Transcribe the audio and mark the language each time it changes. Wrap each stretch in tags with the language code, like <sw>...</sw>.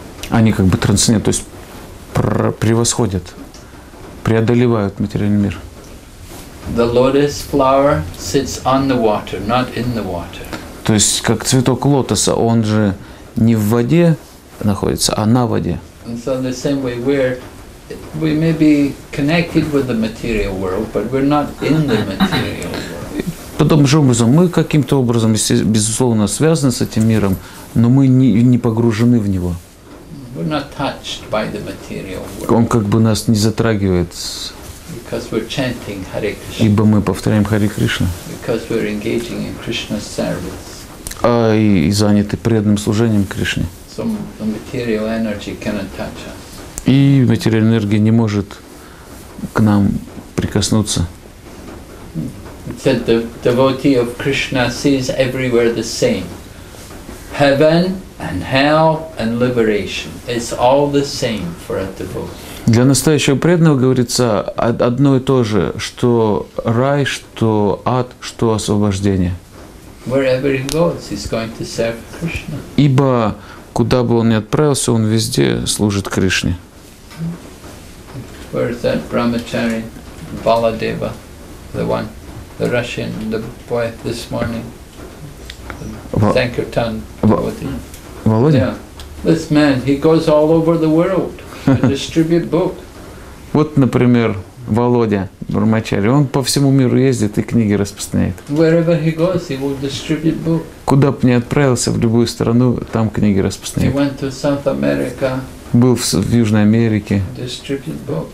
<ru>Они как бы трансцендент, то есть превосходят, преодолевают материальный мир.</ru> <en>The lotus flower sits on the water, not in the water.</en> <ru>То есть как цветок лотоса, он же не в воде находится, а на воде.</ru> <en>And so in the same way we may be connected with the material world, but we're not in the material world.</en> <ru>Потом же образом мы каким-то образом безусловно связаны с этим миром, но мы не погружены в него.</ru> <en>We're not touched by the material world.</en> <ru>Он как бы нас не затрагивает.</ru> <en>Because we're chanting Hare Krishna.</en> <ru>Ибо мы повторяем Харе Кришна.</ru> <en>Because we're engaging in Krishna's service.</en> <ru>А и заняты преданным служением Кришне.</ru> <en>So material energy cannot touch us.</en> <ru>И материальная энергия не может к нам прикоснуться.</ru> <en>So the devotee of Krishna sees everywhere the same. Heaven and hell and liberation. It's all the same for a devotee.</en> <ru>Для настоящего преданного говорится одно и то же, что рай, что ад, что освобождение.</ru> <en>Wherever he goes, he's going to serve Krishna.</en> <ru>Ибо куда бы он ни отправился, он везде служит Кришне.</ru> <en>Where is that Brahmachari Baladeva, the one, the Russian, the boy this morning, Sankirtan devotee?</en> <ru>Володя?</ru> <en>Yeah. This man, he goes all over the world to distribute book.</en> <ru>Вот, например, Володя Брахмачари, он по всему миру ездит и книги распространяет.</ru> <en>Wherever he goes, he will distribute book.</en> <ru>Куда бы ни отправился, в любую страну, там книги распространяет.</ru> <en>He went to South America.</en> <ru>Был в Южной Америке.</ru> <en>Distribute book.</en>